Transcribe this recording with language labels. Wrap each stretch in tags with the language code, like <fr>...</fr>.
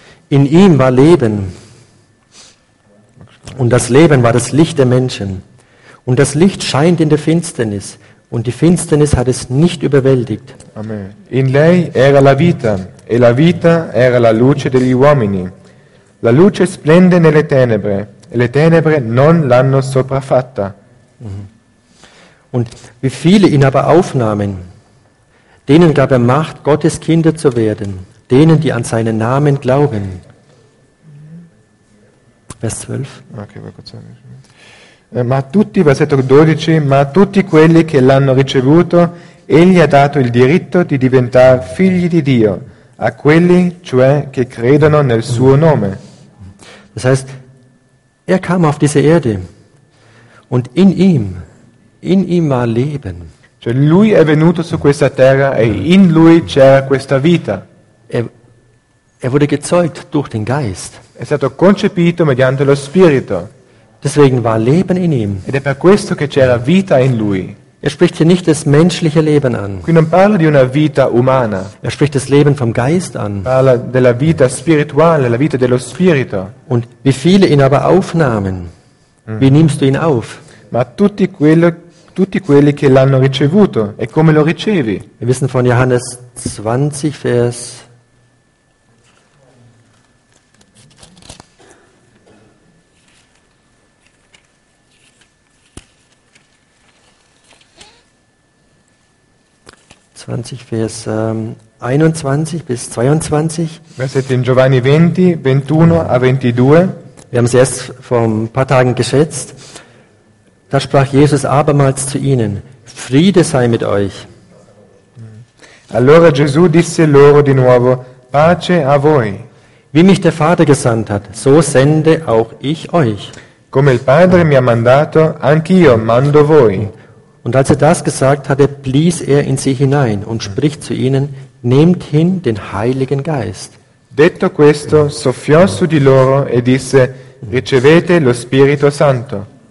<de>In ihm war Leben. Und das Leben war das Licht der Menschen. Und das Licht scheint in der Finsternis, und die Finsternis hat es nicht überwältigt. Amen.</de> <it>In lei era la vita, e la vita era la luce degli uomini. La luce splende nelle tenebre, e le tenebre non l'hanno sopraffatta.</it> <de>Und wie viele ihn aber aufnahmen, denen gab er Macht, Gottes Kinder zu werden, denen, die an seinen Namen glauben. Vers 12.</de> <it>Okay, vuoi cosa dire? Ma a tutti, versetto 12, ma a tutti quelli che l'hanno ricevuto, egli ha dato il diritto di diventare figli di Dio, a quelli, cioè, che credono nel suo nome.</it> <de>Das heißt, er kam auf diese Erde, und in ihm war Leben.</de> <it>Cioè, lui è venuto su questa terra, e in lui c'era questa vita.</it> <de>Er wurde gezeugt durch den Geist.</de> <it>È stato concepito mediante lo Spirito.</it> <de>Deswegen war Leben in ihm.</de> <it>Ed è per questo che c'era vita in lui.</it> <de>Er spricht hier nicht das menschliche Leben an.</de> <it>Qui non parla di una vita umana.</it> <de>Er spricht das Leben vom Geist an.</de> <it>Parla della vita spirituale, la vita dello spirito.</it> <de>Und wie viele ihn aber aufnahmen? Wie nimmst du ihn auf?</de> <it>Ma tutti quelli che l'hanno ricevuto, e come lo ricevi?</it> <de>Wir wissen von Johannes 20, Vers 20 Vers 21 bis 22. Wir sind in Giovanni 20, 21 a 22. Wir haben es erst vor ein paar Tagen geschätzt. Da sprach Jesus abermals zu ihnen: Friede sei mit euch.</de> <it>Allora Gesù disse loro di nuovo: Pace a voi.</it> <de>Wie mich der Vater gesandt hat, so sende auch ich euch.</de> <it>Come il Padre mi ha mandato, anch'io mando voi.</it> <de>Und als er das gesagt hatte, blies er in sie hinein und spricht zu ihnen: Nehmt hin den Heiligen Geist.</de> <it>Detto questo, soffiò su di loro e disse: Ricevete lo Spirito Santo.</it>